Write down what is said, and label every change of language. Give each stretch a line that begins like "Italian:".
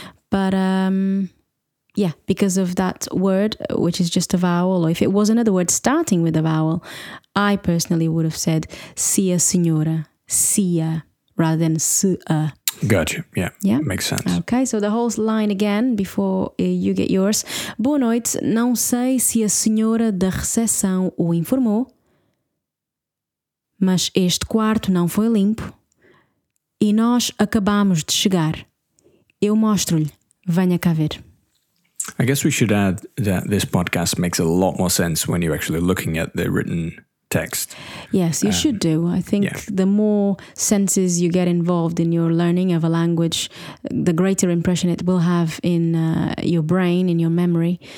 English: But yeah, because of that word, which is just a vowel, or if it was another word starting with a vowel, I personally would have said
Portuguese: se a senhora, se a,
English: rather than se a. Gotcha. Yeah. Yeah. Makes sense. Okay. So the whole line again before you get yours.
Portuguese: Boa noite. Não sei se a senhora da recepção o informou, mas este quarto não foi limpo e nós acabamos de chegar. Eu mostro-lhe. Venha cá ver.
English: I guess we should add that this podcast makes a lot more sense when you're actually looking at the written text. Yes, you should do. I think the more senses you get involved in your learning of a language, the greater impression it will have in your brain, in your memory.